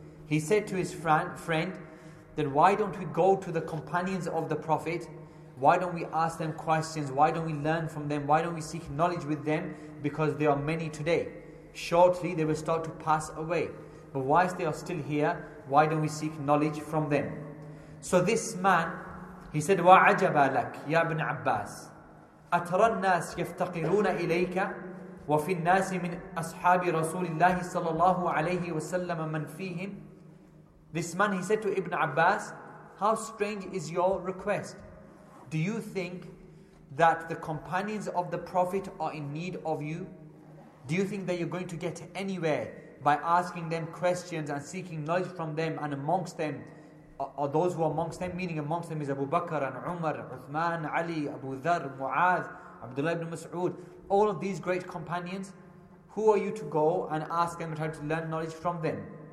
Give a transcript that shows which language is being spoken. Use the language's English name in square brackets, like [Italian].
[English] He said to his friend, then why don't we go to the companions of the Prophet? Why don't we ask them questions? Why don't we learn from them? Why don't we seek knowledge with them? Because there are many today. Shortly, they will start to pass away. But whilst they are still here, why don't we seek knowledge from them? So this man, he said, [Arabic] وَعَجَبَ لَكْ يَا ابْنَ عَبَّاسِ أَتَرَى النَّاسِ يَفْتَقِرُونَ إِلَيْكَ وَفِي النَّاسِ مِنْ أَصْحَابِ رَسُولِ اللَّهِ صَلَى اللَّهُ عَلَيْهِ وَسَلَّمَ مَنْ فِيهِمْ. [English] This man, he said to Ibn Abbas, how strange is your request? Do you think that the companions of the Prophet are in need of you? Do you think that you're going to get anywhere by asking them questions and seeking knowledge from them, and amongst them are those who are amongst them, meaning amongst them is Abu Bakr and Umar, Uthman, Ali, Abu Dharr, Mu'adh, Abdullah ibn Mas'ud, all of these great companions, who are you to go and ask them and try to learn knowledge from them?